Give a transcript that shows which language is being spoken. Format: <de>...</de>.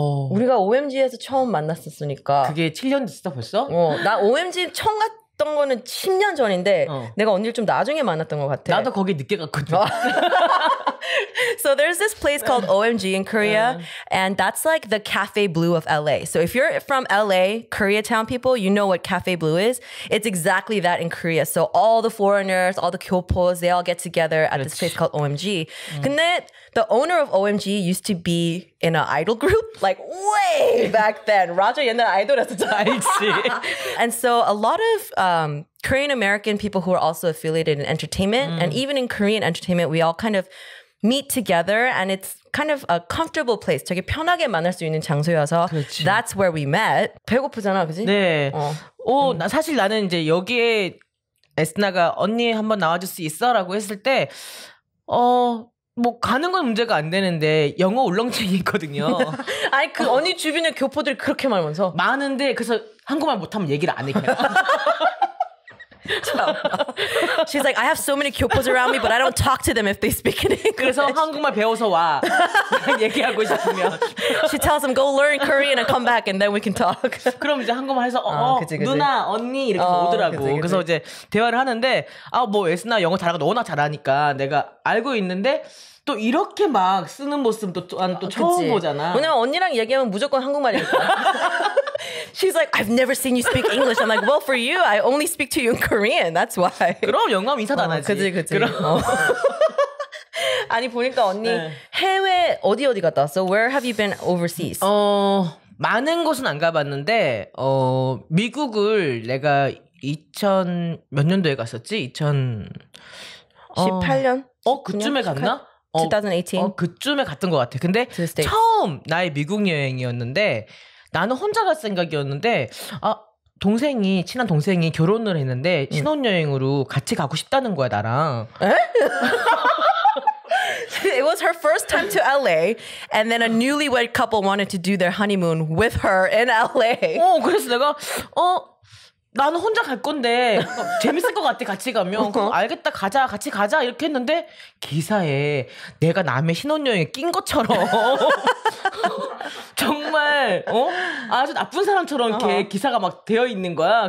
<ko>우리가 OMG에서 처음 만났었으니까 그게 7년 됐어 벌써? 나 OMG 처음 갔던 거는 10년 전인데 내가 언니를 좀 나중에 만났던 것 같아. 나도 거기 늦게 갔거든.</ko> <en>So there's this place called OMG in Korea and that's like the Cafe Blue of LA. So if you're from LA, Koreatown people, you know what Cafe Blue is. It's exactly that in Korea. So all the foreigners, all the 교포s, they all get together at this place called OMG.</en> <ko>근데</ko> <en>the owner of OMG used to be in an idol group like way back then.</en> <ko>맞아, 옛날 아이돌이었잖아. 알지.</ko> <en>And so a lot of Korean-American people who are also affiliated in entertainment and even in Korean entertainment, we all kind of meet together and it's kind of a comfortable place.</en> <ko>되게 편하게 만날 수 있는 장소여서 그렇지.</ko> <en>That's where we met.</en> <ko>배고프잖아, 그지? 네. 사실 나는 이제 여기에 에스나가 언니 한번 나와줄 수 있어? 라고 했을 때 뭐 가는 건 문제가 안 되는데 영어 울렁증이거든요. 아니 그 언니 주변에 교포들이 그렇게 많으면서 많은데 그래서 한국말 못하면 얘기를 안 해.</ko> <en>She's like, I have so many 교포s around me, but I don't talk to them if they speak in English.</en> <ko>그래서 한국말 배워서 와. 얘기하고 싶으면.</ko> <en>She tells them, go learn Korean and come back and then we can talk.</en> <ko>그럼 이제 한국말 해서 그치. 누나, 언니 이렇게 오더라고. 그치. 그래서 이제 대화를 하는데 에스나 영어 잘하고 너무나 잘하니까 내가 알고 있는데 또 이렇게 막 쓰는 모습도 또 처음 그치. 보잖아. 왜냐면 언니랑 얘기하면 무조건 한국말이니까.</ko> <en>She's like, I've never seen you speak English. I'm like, well, for you, I only speak to you in Korean. That's why.</en> <ko>그럼 영감 인사도 안 하지. 그치, 그치. 그럼. 아니, 보니까 언니 해외 어디 갔다 왔어?</ko> <en>Where have you been overseas?</en> <ko>많은 곳은 안 가봤는데, 미국을 내가 2000, 몇 년도에 갔었지? 2018년? 그쯤에 갔나? 2018? 그쯤에 갔던 것 같아. 근데 처음 나의 미국 여행이었는데, 나는 혼자 갈 생각이었는데 아 동생이 친한 동생이 결혼을 했는데 신혼여행으로 같이 가고 싶다는 거야 나랑. 에?</ko> <en>It was her first time to LA, and then a newlywed couple wanted to do their honeymoon with her in LA.</en> <ko>어, 그래서 내가 어 나는 혼자 갈 건데 재밌을 것 같아 같이 가면. 그럼 알겠다 가자 같이 가자 이렇게 했는데 기사에 내가 남의 신혼여행에 낀 것처럼 정말 어 아주 나쁜 사람처럼 이렇게 기사가 막 되어 있는 거야.</ko>